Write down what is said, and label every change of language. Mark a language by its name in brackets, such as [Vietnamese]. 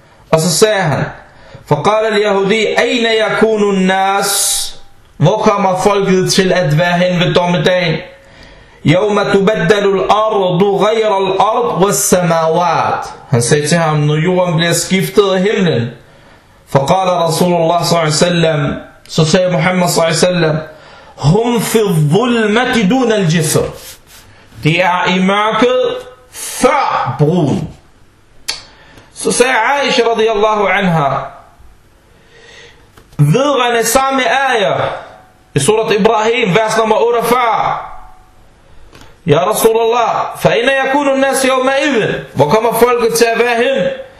[Danish] Og så sagde han: [Arabic] فقال اليهودي أين يكون الناس. [Danish] Hvor kommer folket til at være hen ved dommedagen? [Arabic] يوم تبدل الأرض غير الأرض والسماوات. [Danish] Han sagde til ham, når jorden bliver skiftet af himlen. [Arabic] فقال رسول الله صلى الله عليه وسلم, [Danish] så sagde Muhammad [Arabic] صلى الله عليه وسلم, هم في الظلمة دون الجسر. [Danish] De er i mørket før broen. Så sagde Aisha [Arabic] رضي الله عنها, [Danish] vedrørende samme ayah i surat Ibrahim, vers nummer 48. [Arabic] يا رسول الله فأين يكون الناس يومئذ وكما فولك تابعهم